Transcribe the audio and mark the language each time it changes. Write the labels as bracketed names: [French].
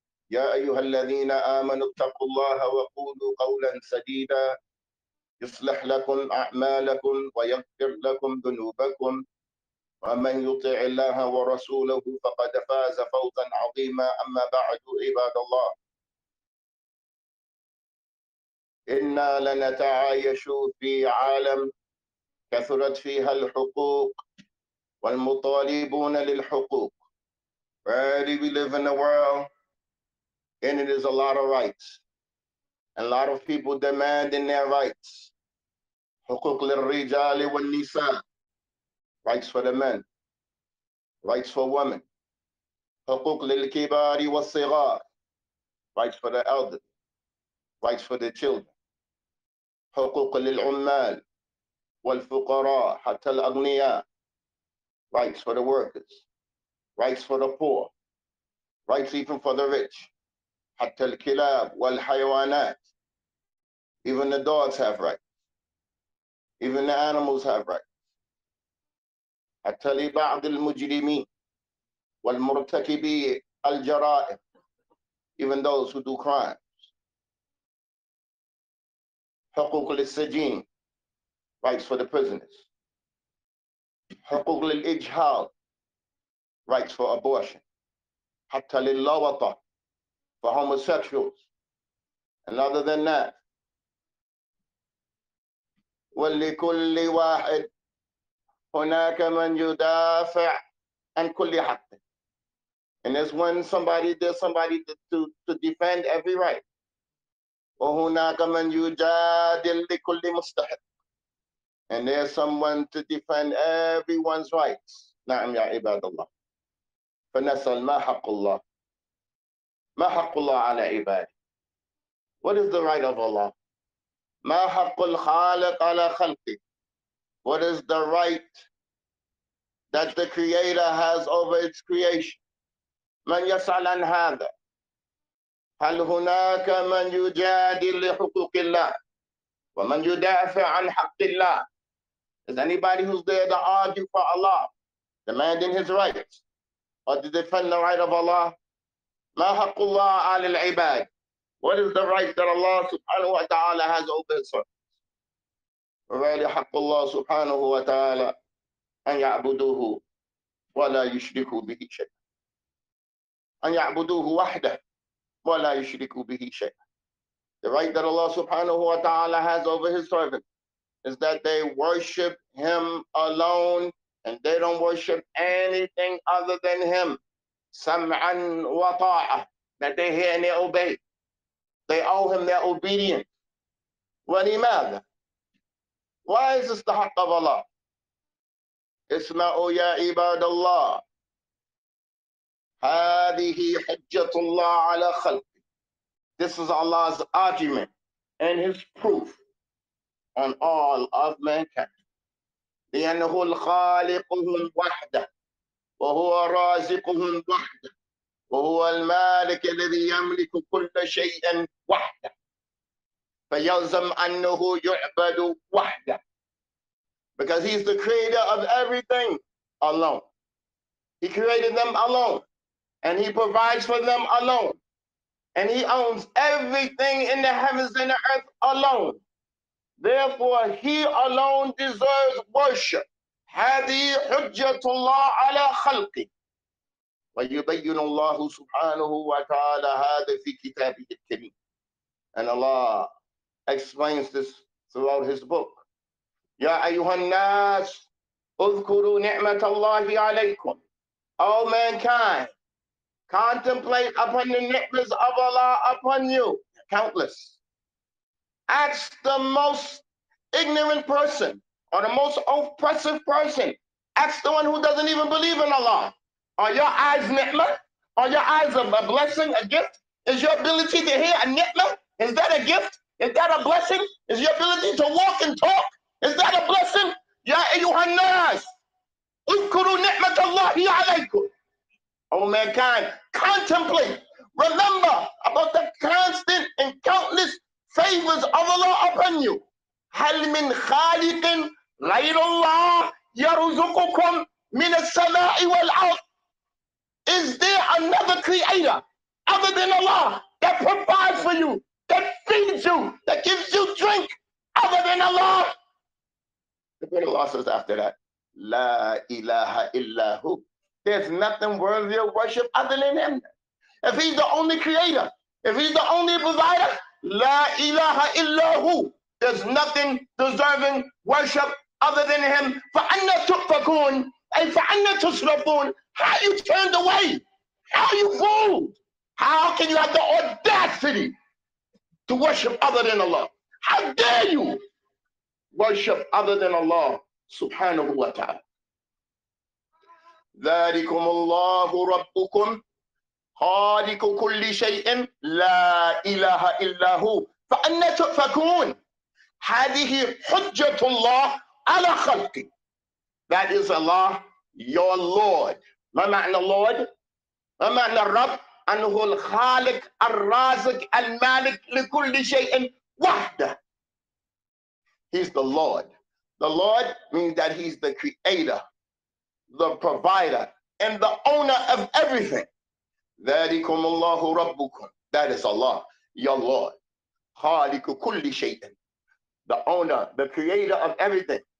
[Arabic] يا أيها الذين آمنوا اتقوا الله وقولوا قولا سديدا يصلح لكم أعمالكم ويغفر لكم ذنوبكم، ومن يطع الله ورسوله فقد فاز فوزا عظيما. أما بعد عباد الله، إنا لنتعايش في عالم كثرت فيها الحقوق والمطالبون للحقوق. [English] Right, we live in a world and it is a lot of rights. A lot of people demanding their rights. [Arabic] حقوق للرجال والنساء. [English] Rights for the men. Rights for women. [Arabic] حقوق للكبار والصغار. [English] Rights for the elderly. Rights for the children. [Arabic] حقوق للعمال والفقراء حتى الأغنياء. [English] Rights for the workers. Rights for the poor, rights even for the rich. [Arabic] حتى الكلاب والحيوانات. [English] Even the dogs have rights. Even the animals have rights. [Arabic] حتى لبعض المجرمين والمرتكبي الجرائم. [English] Even those who do crimes. [Arabic] حقوق للسجين. [English] Rights for the prisoners. [Arabic] حقوق للإجهاض. [English] Rights for abortion. [Arabic] حتى للوطة. [English] For homosexuals. And other than that. [Arabic] ولكل واحد هناك من يدافع عن كل حق. [English] And it's when somebody, there's somebody to defend every right. [Arabic] وهناك من يجادل لكل مستحق. [English] And there's someone to defend everyone's rights. [Arabic] نعم يا عباد الله. فنسأل ما حق الله؟ ما حق الله على عباده؟ [English] What is the right of Allah? [Arabic] ما حق الخالق على خلقه؟ [English] What is the right that the creator has over its creation? [Arabic] من يسأل عن هذا؟ هل هناك من يجادل لحقوق الله؟ ومن يدافع عن حق الله؟ [English] Is anybody who's there to argue for Allah, demanding his rights? Or to defend the right of Allah? [Arabic] ما حق الله على العباد? [English] What is the right that Allah subhanahu wa ta'ala has over his servants? [Arabic] وَغَيْرِ حَقُّ اللَّهِ سُبْحَانَهُ وَتَعَالَىٰ أَنْ يَعْبُدُوهُ وَلَا يُشْرِكُوا بِهِ شَيْئًا. أَنْ يَعْبُدُوهُ وَحْدَهُ وَلَا يُشْرِكُوا بِهِ شَيْئًا. [English] The right that Allah subhanahu wa ta'ala has over his servants is that they worship him alone, and they don't worship anything other than him. [Arabic] سَمْعًا وَطَاعَةً. [English] That they hear and they obey. They owe him their obedience. [Arabic] وَلِمَاذَا? [English] Why is this the haqq of Allah? [Arabic] اسْمَعُوا يَا عِبَادَ اللَّهِ هَذِهِ حُجَّةُ اللَّهِ عَلَى خَلْقِهِ. [English] This is Allah's argument and his proof on all of mankind. [Arabic] لأنه الخالقهم وحده وهو رازقهم وحده وهو المالك الذي يملك كل شيء وحده فيلزم أنه يعبد وحده. [English] Because he's the creator of everything alone. He created them alone. And he provides for them alone. And he owns everything in the heavens and the earth alone. Therefore, he alone deserves worship. [Arabic] هذه حجة الله على خلقه. ويبين الله سبحانه وتعالى هذا في كتابه الكريم. [English] And Allah explains this throughout his book. [Arabic] يا أيها الناس اذكروا نعمة الله عليكم. [English] Oh mankind, contemplate upon the ni'mas of Allah upon you. Countless. Ask the most ignorant person or the most oppressive person. Ask the one who doesn't even believe in Allah. Are your eyes ni'mah? Are your eyes a blessing, a gift? Is your ability to hear a ni'mah? Is that a gift? Is that a blessing? Is your ability to walk and talk? Is that a blessing? [Arabic] Ya ayyuhan nas, اذكروا نعمة الله عليكم. [English] Oh mankind, contemplate, remember about the constant and countless favors of Allah upon you. [Arabic] هل من خالق غير الله يرزقكم من السماء والأرض? [English] Is there another creator other than Allah that provides for you, that feeds you, that gives you drink other than Allah? The Word of Allah says after that, [Arabic] La ilaha illa hu. [English] There's nothing worthy of worship other than him. If he's the only creator, if he's the only provider, [Arabic] La ilaha illa hu. [English] There's nothing deserving worship other than him. [Arabic] فَأَنَّ تُؤْفَكُونَ فَأَنَّ تُسْرَفُونَ. [English] How you turned away? How you fooled? How can you have the audacity to worship other than Allah? How dare you worship other than Allah subhanahu wa ta'ala? [Arabic] ذلكم الله ربكم خالق كل شيء لا إله إلا هو فأنا تؤفكون. هذه حجة الله على خلقي. [English] That is Allah, your Lord. [Arabic] ما معنى Lord? ما معنى الرب? أنه الخالق الرازق المالك لكل شيء وحده. [English] He's the Lord. The Lord means that he's the creator, the provider, and the owner of everything. [Arabic] ذلكم الله ربكم. [English] That is Allah, your Lord. [Arabic] خالق كل شيء. [English] The owner, the creator of everything.